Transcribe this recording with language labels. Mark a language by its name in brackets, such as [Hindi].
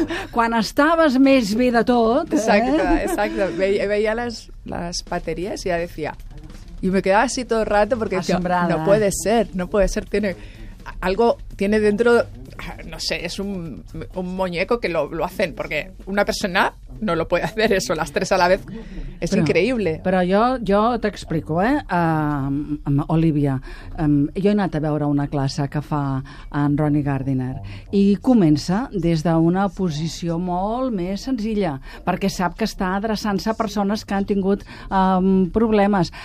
[Catalan] Quan estaves més bé de tot... Exacte. Veia les bateries i ja decía... [Spanish] Y me quedaba así todo el rato porque decía, no puede ser, tiene algo, tiene dentro, no sé, es un muñeco que lo hacen, porque una persona no lo puede hacer eso, las tres a la vez, es increíble. [Catalan] Però jo t'explico, Olivia, jo he anat a veure una classe que fa en Ronnie Gardiner i comença des d'una posició molt més senzilla, perquè sap que està adreçant-se a persones que han tingut problemes.